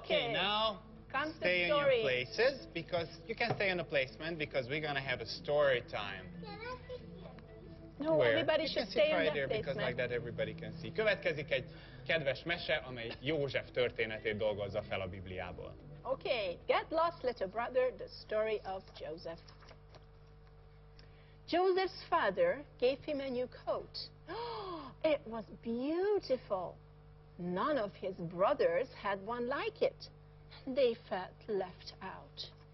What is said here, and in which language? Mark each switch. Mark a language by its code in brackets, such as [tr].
[en] Okay, now stay in your places, because you can stay in a placement, because we're going to have a story time. No, where? Everybody you should can stay sit right in that there place, because like that everybody can see. [hu] Következik egy kedves mese, amely József történetét dolgozza fel a Bibliából. [en] Okay, get lost, little brother, the story of Joseph. Joseph's father gave him a new coat. it was beautiful. None of his brothers had one like it. They felt left out.